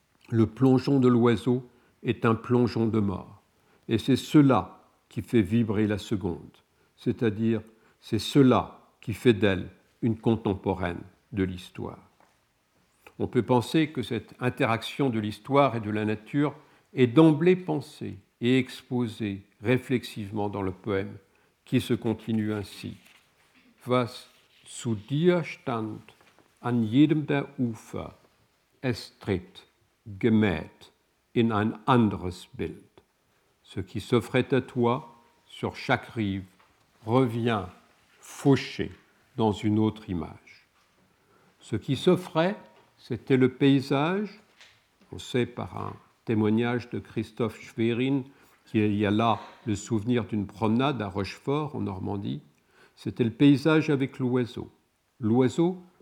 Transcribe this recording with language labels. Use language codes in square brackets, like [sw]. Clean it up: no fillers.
[fr] Le plongeon de l'oiseau est un plongeon de mort, et c'est cela qui fait vibrer la seconde, c'est-à-dire c'est cela qui fait d'elle une contemporaine de l'histoire. On peut penser que cette interaction de l'histoire et de la nature est d'emblée pensée et exposée réflexivement dans le poème qui se continue ainsi. [de] Was zu dir stand an jedem der Ufer, es tritt gemäht in ein anderes Bild. [fr] Ce qui s'offrait à toi sur chaque rive revient fauché dans une autre image. Ce qui s'offrait, c'était le paysage, on sait par un témoignage de Christophe Schwerin, qu'il y a là le souvenir d'une promenade à Rochefort, en Normandie, c'était le paysage avec l'oiseau. L'oiseau